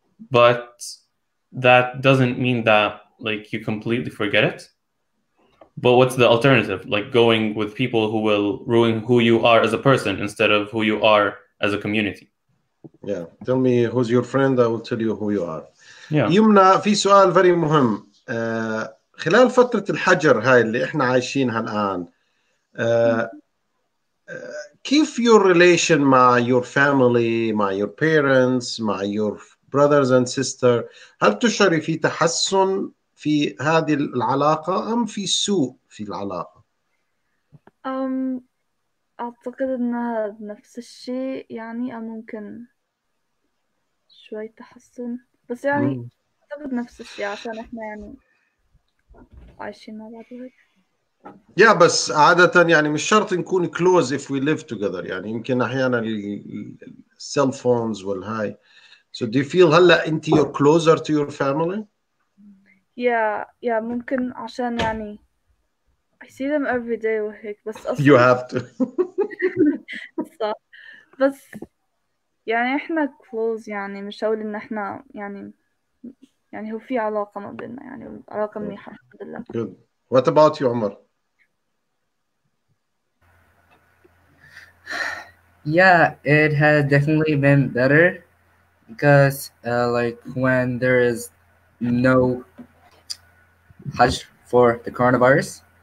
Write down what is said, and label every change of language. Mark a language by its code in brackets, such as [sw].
[en] But that doesn't mean that like you completely forget it. But what's the alternative? Like going with people who will ruin who you are as a person instead of who you are as a community. Yeah, tell me who's your friend, I will tell you who you are. Yeah. [ar] يمنى في سؤال very مهم. خلال فترة الحجر هاي اللي احنا عايشينها الآن, كيف your relation مع your family, مع your parents, مع your brothers and sister, هل تشعري في تحسن في هذه العلاقة أم في سوء في العلاقة؟ أعتقد أنها نفس الشيء, يعني ممكن شوي تحسن, بس يعني أعتقد نفس الشيء عشان إحنا يعني عايشين مع بعض. يا yeah, بس عادة يعني مش شرط نكون close [en] if we live together, [ar] يعني يمكن أحيانا cell phones والهاي. [en] So do you feel [ar] هلا أنت [en] you're closer to your family? Yeah, ممكن عشان يعني I see them every day وهيك, بس أصلا you have to [ar] بس يعني إحنا [en] close, [ar] يعني مش هقول إن إحنا يعني هو في علاقة ما بيننا, يعني علاقة منيحة الحمد لله. [en] Good. What about you, عمر؟ Yeah, it has definitely been better because like when there is no hush for the coronavirus.